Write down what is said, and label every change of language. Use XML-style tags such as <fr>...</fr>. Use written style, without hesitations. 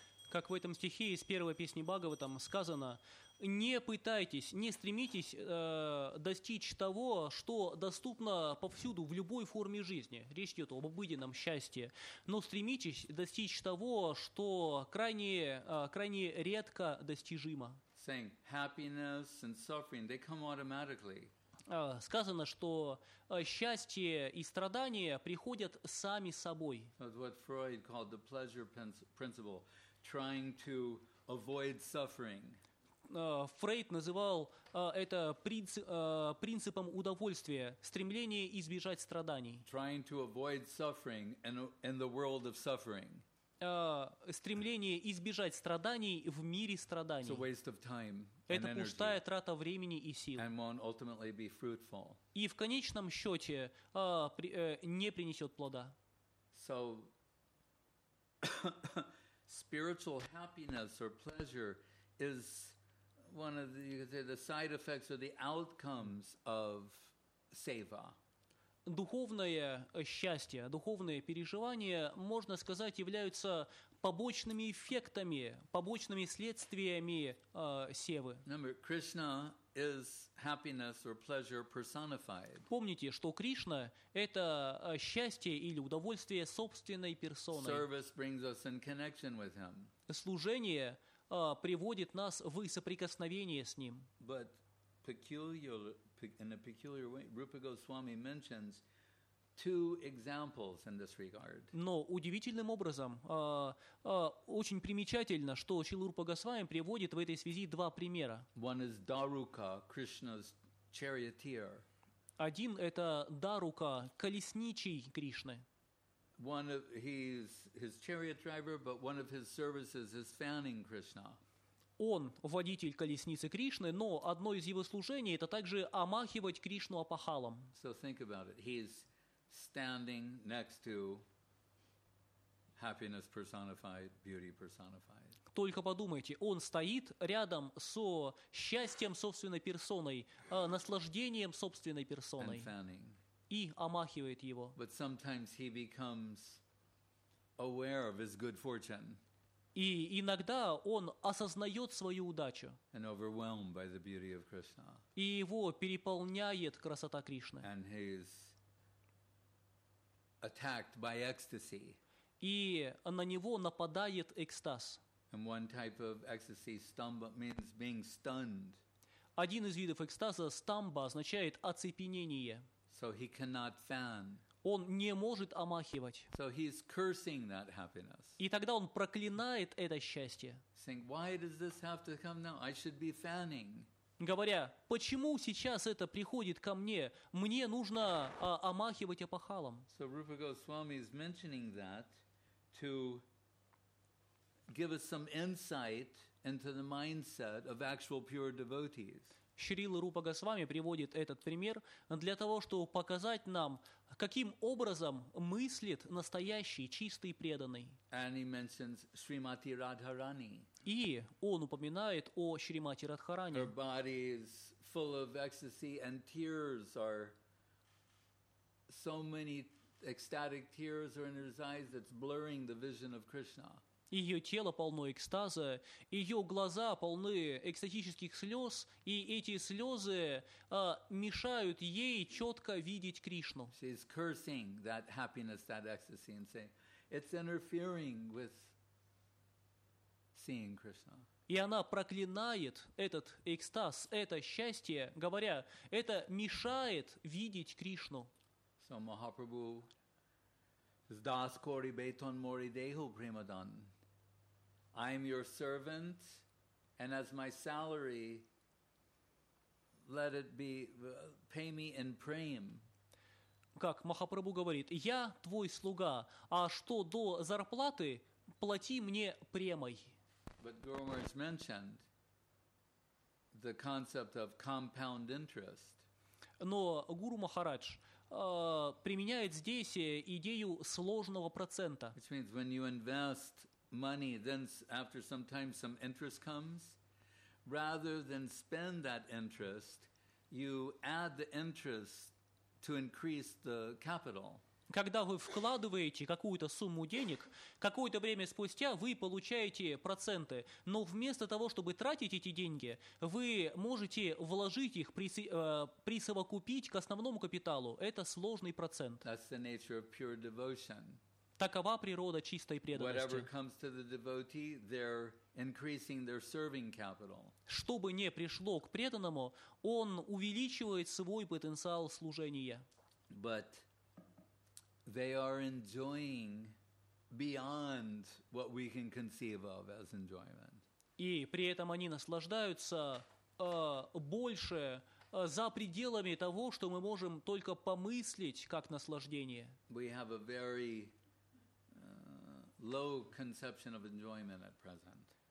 <ru>Как в этом стихе из первой песни Бхагаватам сказано, не пытайтесь, не стремитесь достичь того, что доступно повсюду, в любой форме жизни. Речь идет об обыденном счастье. Но стремитесь достичь того, что крайне, крайне редко достижимо.</ru> <en>Saying happiness and suffering, they come automatically.</en> <ru>Сказано, что счастье и страдания приходят сами собой.</ru> <en>That's what Freud called the pleasure principle, trying to avoid suffering.</en> <ru>Фрейд называл это принципом удовольствия, стремление избежать страданий.</ru> <en>Trying to avoid suffering in the world of suffering.</en> <ru>Стремление избежать страданий в мире страданий.</ru> <en>It's a waste of time and energy.</en> <ru>Это пустая трата времени и сил.</ru> <en>And won't ultimately be fruitful.</en> <ru>И в конечном счете не принесет плода.</ru> <en>So, spiritual happiness or pleasure is one of the, you could say, the side effects or the outcomes of seva.</en> <ru>Духовное счастье, духовные переживания, можно сказать, являются побочными эффектами, побочными следствиями севы.</ru> <en>Remember, Krishna is happiness or pleasure personified.</en> <ru>Помните, что Кришна — это счастье или удовольствие собственной персоной.</ru> <en>Service brings us in connection with him.</en> <ru>Служение приводит нас в соприкосновение с ним.</ru> <en>But in a peculiar way, Rupa Goswami mentions two examples in this regard.</en> <ru>Но удивительным образом, очень примечательно, что Шрила Рупа Госвами приводит в этой связи два примера.</ru> <en>One is Daruka, Krishna's charioteer.</en> <ru>Один — это Дарука, колесничий Кришны.</ru> <en>One of his chariot driver, but one of his services is fanning Krishna.</en> <ru>Он водитель колесницы Кришны, но одно из его служений это также омахивать Кришну опахалом.</ru> <en>So think about it. He's standing next to happiness personified, beauty personified.</en> <ru>Только подумайте, он стоит рядом со счастьем собственной персоной, наслаждением собственной персоной.</ru> <en>And fanning.</en> <ru>и омахивает его.</ru> <en>But sometimes he becomes aware of his good fortune.</en> <ru>И иногда он осознает свою удачу.</ru> <en>And overwhelmed by the beauty of Krishna.</en> <ru>И его переполняет красота Кришны.</ru> <en>And he is attacked by ecstasy.</en> <ru>И на него нападает экстаз.</ru> <en>And one type of ecstasy, stamba, means being stunned.</en> <ru>Один из видов экстаза, стамба, означает оцепенение.</ru> <en>So he cannot fan.</en> <ru>Он не может омахивать.</ru> <en>So he's cursing that happiness.</en> <ru>И тогда он проклинает это счастье.</ru> <en>Saying, why does this have to come now? I should be fanning.</en> <ru>Говоря, почему сейчас это приходит ко мне? Мне нужно омахивать опахалом.</ru> <en>So Rupa Goswami is mentioning that to give us some insight into the mindset of actual pure devotees.</en> <ru>Шрила Рупа Госвами приводит этот пример для того, чтобы показать нам, каким образом мыслит настоящий, чистый, преданный.</ru> <en>And he mentions Shrimati Radharani.</en> <ru>И он упоминает о Шримати Радхаране.</ru> <en>Her body is full of ecstasy and tears are so many ecstatic tears are in his eyes that's blurring the vision of Krishna.</en> <ru>Ее тело полно экстаза, ее глаза полны экстатических слез, и эти слезы мешают ей четко видеть Кришну.</ru> <en>She's cursing that happiness, that ecstasy, and saying, it's interfering with seeing Krishna.</en> <ru>И она проклинает этот экстаз, это счастье, говоря, это мешает видеть Кришну.</ru> <en>So Mahaprabhu is</en> <bn>das kori beton mori dehu primadan.</bn> <en>I am your servant, and as my salary, let it be, pay me in prem.</en> <ru>Как Махапрабху говорит, я твой слуга, а что до зарплаты, плати мне премой.</ru> <en>But Guru Maharaj mentioned the concept of compound interest.</en> <ru>Но Гуру Махарадж применяет здесь идею сложного процента.</ru> <en>Which means when you invest money, then after some time some interest comes. Rather than spend that interest, you add the interest to increase the capital.</en> <ru>Когда вы вкладываете какую-то сумму денег, какое-то время спустя вы получаете проценты. Но вместо того, чтобы тратить эти деньги, вы можете вложить их, присовокупить к основному капиталу. Это сложный процент.</ru> <en>That's the nature of pure devotion.</en> <ru>Такова природа чистой преданности.</ru> <en>Whatever comes to the devotee, they're increasing their serving capital.</en> <ru>Что бы ни пришло к преданному, он увеличивает свой потенциал служения.</ru> <en>But they are enjoying beyond what we can conceive of as enjoyment.</en> <ru>И при этом они наслаждаются больше за пределами того, что мы можем только помыслить как наслаждение.</ru> <en>We have a very low conception of enjoyment at present.</en>